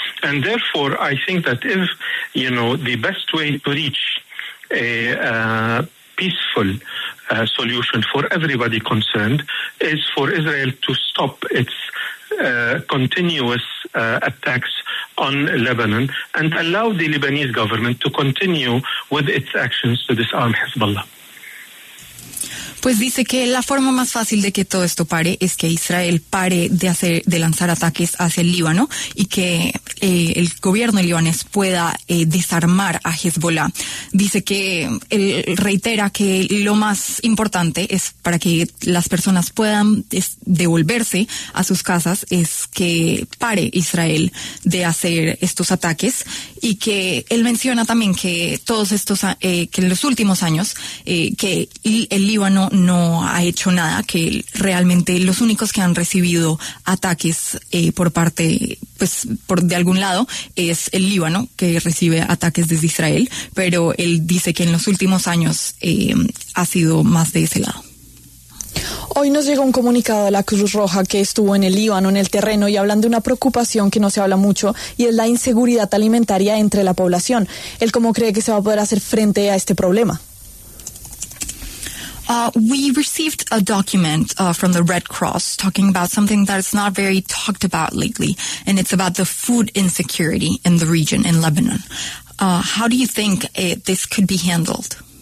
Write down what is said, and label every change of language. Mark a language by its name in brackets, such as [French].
[English] And therefore, I think that if, you know, the best way to reach a peaceful solution for everybody concerned is for Israel to stop its continuous attacks on Lebanon and allow the Lebanese government to continue with its actions to disarm Hezbollah. [Spanish] Pues dice que la forma más fácil de que todo esto pare es que Israel pare de hacer, de lanzar ataques hacia el Líbano y que el gobierno libanés pueda desarmar a Hezbollah. Dice que él reitera que lo más importante es para que las personas puedan devolverse a sus casas es que pare Israel de hacer estos ataques y que él menciona también que todos estos, que en los últimos años, que el Líbano no ha hecho nada, que realmente los únicos que han recibido ataques por parte, pues por de algún lado, es el Líbano, que recibe ataques desde Israel, pero él dice que en los últimos años ha sido más de ese lado. Hoy nos llegó un comunicado de la Cruz Roja que estuvo en el Líbano, en el terreno, y hablan de una preocupación que no se habla mucho, y es la inseguridad alimentaria entre la población. ¿Él cómo cree que se va a poder hacer frente a este problema? [English] We received a document from the Red Cross talking about something that's not very talked about lately, and it's about the food insecurity in the region, in Lebanon. How do you think this could be handled?